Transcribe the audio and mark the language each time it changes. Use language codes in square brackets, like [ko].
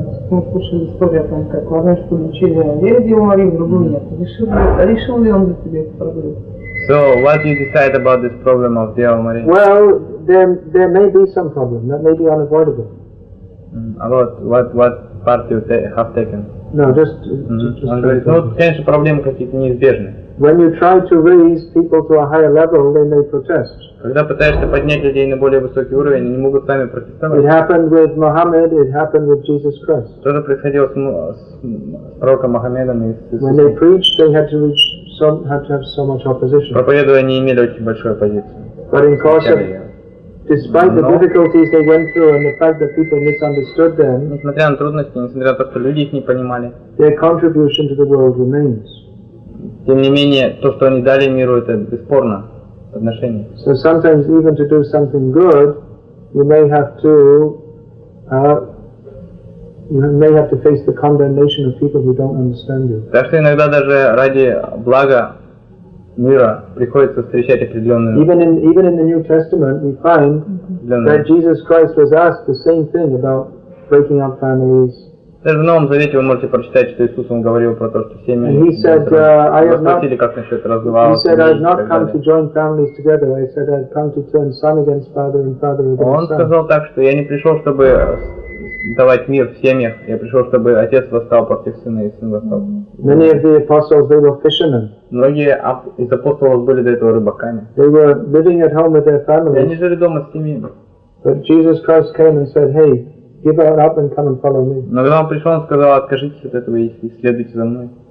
[ru] Мы слушали историю о том, как в одной школе учили верить в Деву Марию, в другую нет. Решил ли он для себя эту проблему? [en] So, what do you decide about this problem of Деву Марию? Well, there may be some problem. That may be unavoidable. About what part you have taken. No, just [ru] no, конечно, проблемы какие-то неизбежны. [en] When you try to raise people to a higher level, they may protest. [ru] Когда пытаешься поднять людей на более высокий уровень, они могут сами протестовать. [en] It happened with Muhammad, it happened with Jesus Christ. [ru] Тоже происходило с пророком Мухаммедом и с Иисусом. [en] When they preached, they had to reach some, had to have so much opposition. [ru] Проповедуя, они имели очень большую оппозицию. [en] But in course, despite the difficulties they went through and the fact that people misunderstood them, [ru] несмотря на трудности, несмотря на то, что люди их не понимали, [en] their contribution to the world remains. [ru] Тем не менее, то, что они дали миру, это бесспорно. [en] So sometimes even to do something good, you may have to face the condemnation of people who don't understand you. [ru] Так что иногда даже ради блага мира приходится встречать определенные. [en] Even in the New Testament, we find that Jesus Christ was asked the same thing about breaking up families. [ru] Даже в Новом Завете вы можете прочитать, что Иисус вам говорил про то, что семьи спросили, как насчет развала. [en] He said, I've not come to join families together. I said, I've come to turn son against father and father against son. [ru] Он сказал так, что я не пришел, чтобы давать мир в семьях. Я пришел, чтобы отец восстал против сына и сын восстал. [en] Many of the apostles, they were fishermen. [ru] Многие из апостолов были до этого рыбаками. [en] They were living at home with their families. [ru] Они жили дома с семьями. [en] But Jesus Christ came and said, hey, give it up and come and follow me. [ru] Но когда он пришел, он сказал, откажитесь от этого и следуйте за мной.